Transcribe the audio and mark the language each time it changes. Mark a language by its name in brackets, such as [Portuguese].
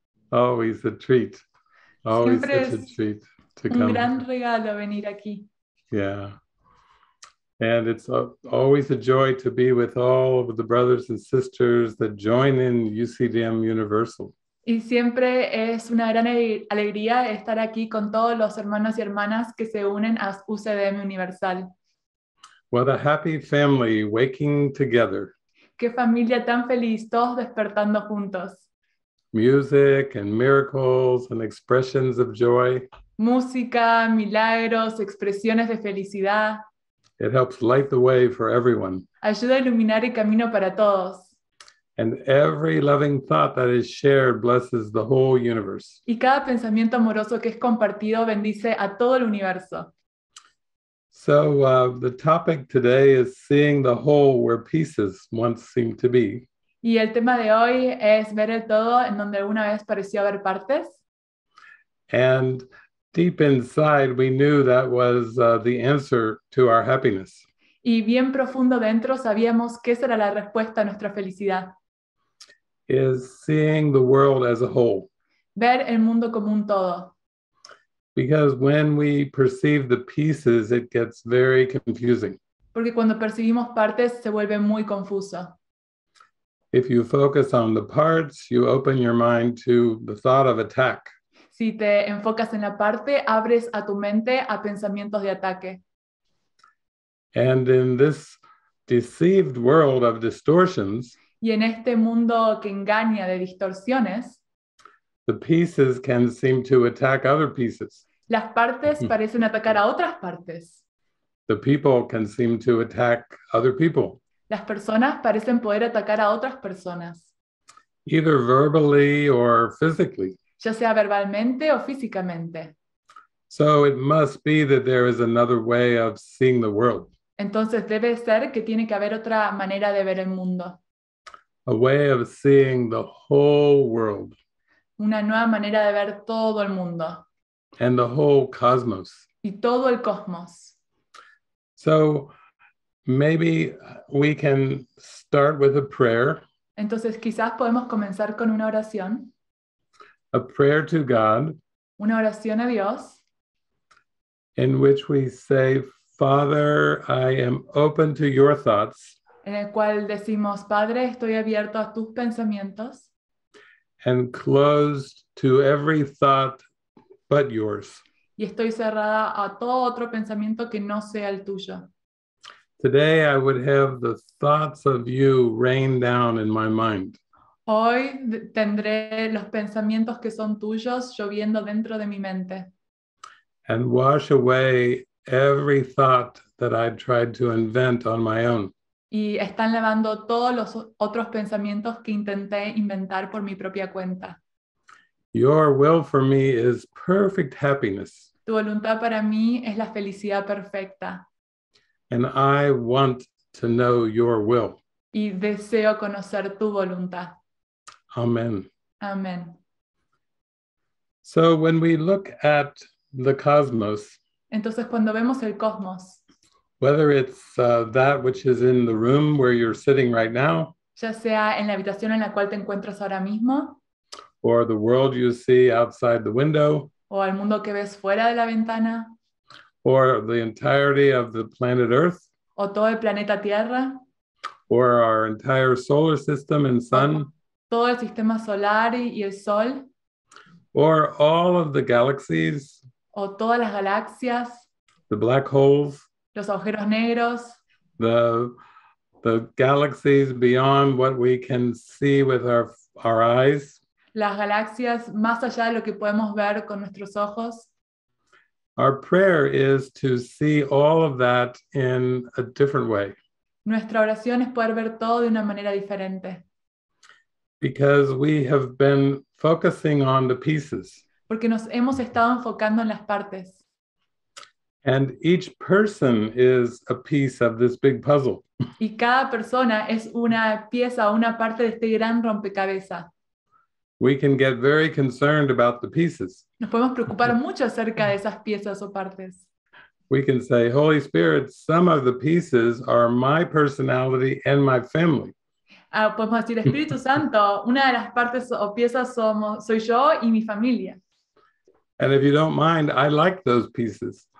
[English] Always a treat. Always [Spanish] Siempre [English] such a treat to [Spanish] un [English] come. [Spanish] Un gran regalo venir aquí. [English] Yeah. And it's always a joy to be with all of the brothers and sisters that join in UCDM Universal. [Spanish] Y siempre es una gran alegría estar aquí con todos los hermanos y hermanas que se unen a UCDM Universal. [English] What a happy family waking together. [Spanish] Qué familia tan feliz, todos despertando juntos. [English] Music and miracles and expressions of joy. [Spanish] Música, milagros, expresiones de felicidad. [English] It helps light the way for everyone. [Spanish] Ayuda a iluminar el camino para todos. [English] And every loving thought that is shared blesses the whole universe. [Spanish] Y cada pensamiento amoroso que es compartido bendice a todo el universo. [English] So the topic today is seeing the whole where pieces once seemed to be. [Spanish] Y el tema de hoy es ver el todo en donde una vez pareció haber partes. [English] And deep inside, we knew that was the answer to our happiness. [Spanish] Y bien profundo dentro sabíamos qué será la respuesta a nuestra felicidad. [English] Is seeing the world as a whole. [Spanish] Ver el mundo como un todo. [English] Because when we perceive the pieces, it gets very confusing. [Spanish] Porque cuando percibimos partes, se vuelve muy confuso. [English] If you focus on the parts, you open your mind to the thought of attack. [Spanish] Si te enfocas en la parte, abres a tu mente a pensamientos de ataque. [English] And in this deceived world of distortions, [Spanish] y en este mundo que engaña de distorsiones, [English] the pieces can seem to attack other pieces. [Spanish] Las partes parecen atacar a otras partes. [English] The people can seem to attack other people. [Spanish] Las personas parecen poder atacar a otras personas. [English] Either verbally or physically. [Spanish] Ya sea verbalmente o físicamente. [English] So it must be that there is another way of seeing the world. [Spanish] Entonces debe ser que tiene que haber otra manera de ver el mundo. [English] A way of seeing the whole world. [Spanish] Una nueva manera de ver todo el mundo. [English] And the whole cosmos. [Spanish] Y todo el cosmos. [English] So maybe we can start with a prayer. [Spanish] Entonces quizás podemos comenzar con una oración. [English] A prayer to God. [Spanish] Una oración a Dios. [English] In which we say, Father, I am open to your thoughts. [Spanish] En el cual decimos, Padre, estoy abierto a tus pensamientos. [English] And closed to every thought but yours. [Spanish] Y estoy cerrada a todo otro pensamiento que no sea el tuyo. [English] Today I would have the thoughts of you rain down in my mind. [Spanish] Hoy tendré los pensamientos que son tuyos lloviendo dentro de mi mente. [English] And wash away every thought that I've tried to invent on my own. [Spanish] Y están lavando todos los otros pensamientos que intenté inventar por mi propia cuenta. [English] Your will for me is perfect happiness. [Spanish] Tu voluntad para mí es la felicidad perfecta. [English] And I want to know your will. [Spanish] Y deseo conocer tu voluntad. [English] Amen. [Spanish] Amen. [English] So when we look at the cosmos, [Spanish] entonces cuando vemos el cosmos, [English] whether it's that which is in the room where you're sitting right now, [Spanish] ya sea en la habitación en la cual te encuentras ahora mismo, [English] or the world you see outside the window, [Spanish] o el mundo que ves fuera de la ventana, [English] or the entirety of the planet Earth, [Spanish] o todo el planeta Tierra, [English] or our entire solar system and sun, [Spanish] todo el sistema solar y el sol, [English] or all of the galaxies, [Spanish] o todas las galaxias, [English] the black holes, [Spanish] los agujeros negros, [English] the galaxies beyond what we can see with our eyes, [Spanish] las galaxias más allá de lo que podemos ver con nuestros ojos. [English] Our prayer is to see all of that in a different way. [Spanish] Nuestra oración es poder ver todo de una manera diferente. [English] Because we have been focusing on the pieces. [Spanish] Porque nos hemos estado enfocando en las partes. [English] And each person is a piece of this big puzzle. [Spanish] Y cada persona es una pieza, una parte de este gran rompecabezas. [English] We can get very concerned about the pieces. [Spanish] Nos podemos preocupar mucho acerca de esas piezas o partes. [English] We can say, Holy Spirit, some of the pieces are my personality and my family. [Spanish] Podemos decir, Espíritu Santo, una de las partes o piezas soy yo y mi familia. [English] And if you don't mind, I like those pieces.